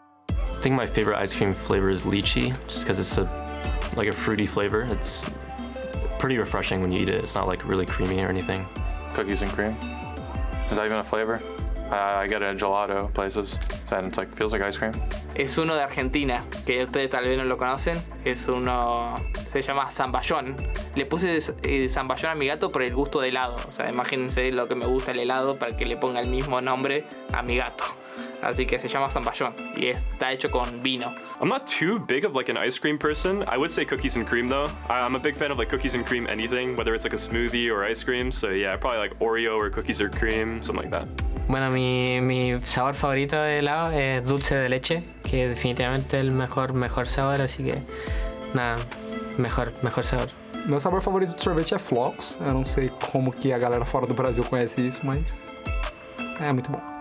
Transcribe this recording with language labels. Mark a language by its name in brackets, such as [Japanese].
[English] I think my favorite ice cream flavor is lychee, just because it's a like a fruity flavor. It's pretty refreshing when you eat it. It's not like really creamy or anything. Cookies and cream. Is that even a flavor? I get it at gelato places, and it's like feels like ice cream. [Spanish] Es uno de Argentina que ustedes tal vez no lo conocen. Es uno, se llama zamballón. Le puse zamballón a mi gato por el gusto de helado. O sea, imagínense lo que me gusta el helado para que le ponga el mismo nombre a mi gato. Así que se llama zamballón y está hecho con vino. [English] I'm not too big of like an ice cream person. I would say cookies and cream though. I'm a big fan of like cookies and cream anything, whether it's like a smoothie or ice cream. So yeah, probably like Oreo or cookies or cream, something like that. [Spanish] Bueno, mi sabor favorito de helado es dulce de leche, que es definitivamente el mejor sabor, así que nada, mejor sabor. [Portuguese] Meu sabor favorito de sorvete é flocos. Eu não sei como que a galera fora do Brasil conhece isso, mas é muito bom.